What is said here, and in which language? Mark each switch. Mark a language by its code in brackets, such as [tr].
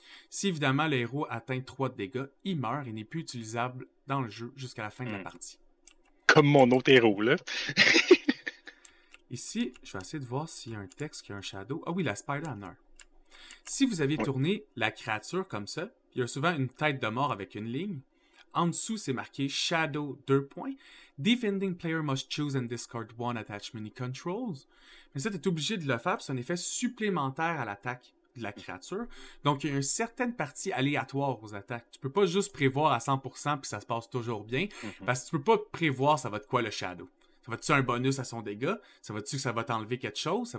[fr] Si évidemment l'héros atteint 3 de dégâts, il meurt et n'est plus utilisable dans le jeu jusqu'à la fin de la partie. Comme mon autre héros, là. Ici, je vais essayer de voir s'il y a un texte qui a un shadow. Ah oui, la spider honneur. Si vous aviez tourné la créature comme ça, il y a souvent une tête de mort avec une ligne. En dessous, c'est marqué Shadow 2 points. [en] Defending player must choose and discard one attachment he controls. [fr] Mais ça, tu es obligé de le faire, puis c'est un effet supplémentaire à l'attaque de la créature. Donc, il y a une certaine partie aléatoire aux attaques. Tu peux pas juste prévoir à 100% puis ça se passe toujours bien, parce que tu peux pas prévoir ça va être quoi le Shadow. Ça va-tu un bonus à son dégât? Ça va-tu que ça va t'enlever quelque chose?